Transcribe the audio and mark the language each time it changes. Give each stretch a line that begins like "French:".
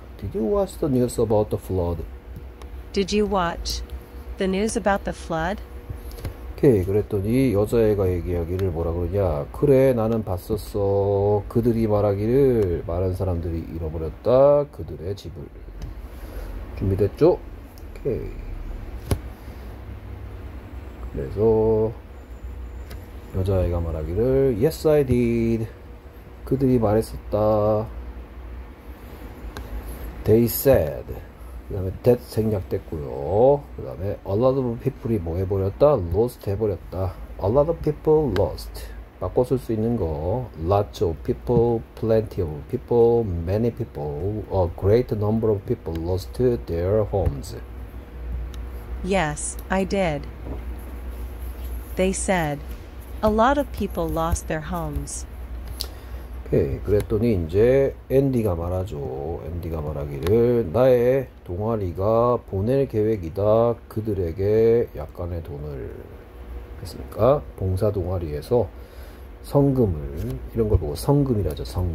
English: Did you watch the news about the flood? Did you watch the news about the flood?
Korean: 오케이, 그랬더니 여자애가 얘기하기를 뭐라 그러냐. 그래, 나는 봤었어. 그들이 말하기를 많은 사람들이 잃어버렸다. 그들의 집을. 준비됐죠? 오케이. 그래서 여자아이가 말하기를
English: Yes, I did.
Korean: 그들이 말했었다.
English: They said.
Korean: 그 다음에 that 생략됐고요. 그 다음에
English: a lot of people이
Korean: 뭐 해버렸다?
English: lost
Korean: 해버렸다.
English: a lot of people lost.
Korean: 바꿔 쓸수 있는 거.
English: lots of people, plenty of people, many people, a great number of people lost their homes. Yes, I did. They said, a lot of people lost their homes.
Korean: 예, 그랬더니 이제 앤디가 말하죠. 앤디가 말하기를 나의 동아리가 보낼 계획이다. 그들에게 약간의 돈을 했습니까? 봉사 동아리에서 성금을 이런 걸 보고 성금이라죠.